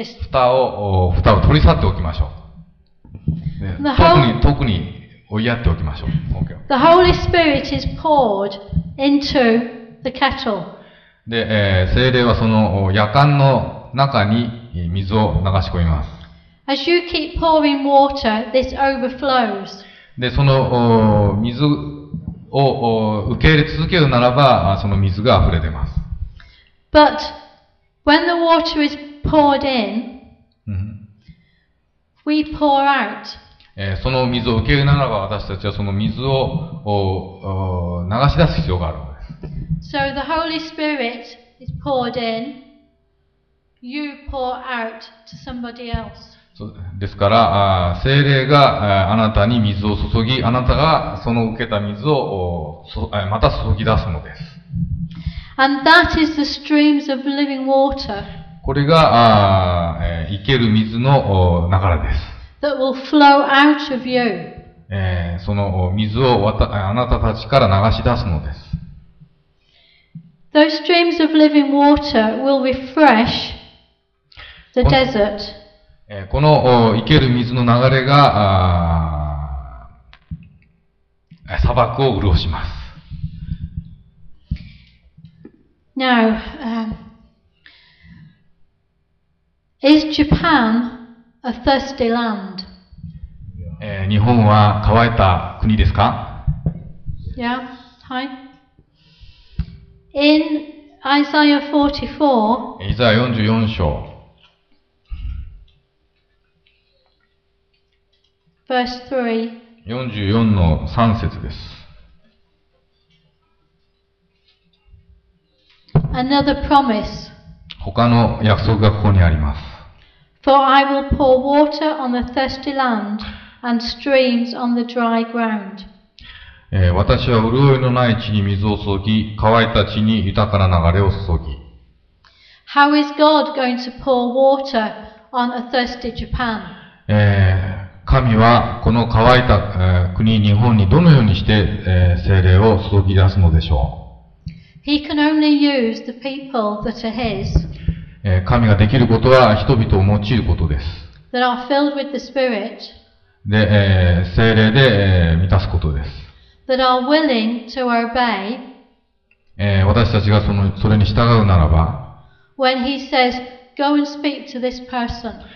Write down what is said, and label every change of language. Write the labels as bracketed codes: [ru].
[ja] 蓋を取り去っておきましょう。特に追いやっておきましょう。 [en] The Holy Spirit is poured into the kettle. [ja] で、聖霊はそのやかんの中に水を流し込みます。 [en] As you keep pouring water, this overflows. [ja] で、その水を受け入れ続けるならば、その水が溢れ出ます。 [en] But when the water is poured in, we pour out. [ja] その水を受け入れならば私たちはその水を流し出す必要があるんです。 [en] So the Holy Spirit is poured in, you pour out to somebody else. [ja] ですから、聖霊があなたに水を注ぎ、あなたがその受けた水をまた注ぎ出すのです。 [en] And that is the streams of living water. [ja] これが、生ける水の流れです。 [en] That will flow out of you. [ja] その水をあなたたちから流し出すのです。 [en] Those streams of living water will refresh the desert. [ja] この生ける水の流れが砂漠を潤します。 [en] Now, is Japan a thirsty land? [ja] 日本は乾いた国ですか? [en] Yeah, hi. In Isaiah 44, [ja] Isaiah 44章 [en] verse [ja] 3, 44の3節です。 [en] Another promise. [ja] 他の約束がここにあります。 [en] For I will pour water on the thirsty land and streams on the dry ground. [ja] 私は潤いのない地に水を注ぎ、乾いた地に豊かな流れを注ぎ。 [en] How is God going to pour water on a thirsty Japan? [ja] 神はこの乾いた国日本にどのようにして精霊を注ぎ出すのでしょう。 [en] He can only use the people that are his. [ja] 神ができることは人々を用いることです。 [en] That are filled with the Spirit. [ja] で、聖霊で満たすことです。 [en] That are willing to obey. [ja] 私たちがそれに従うならば。 [en] When he says, "Go and speak to this person."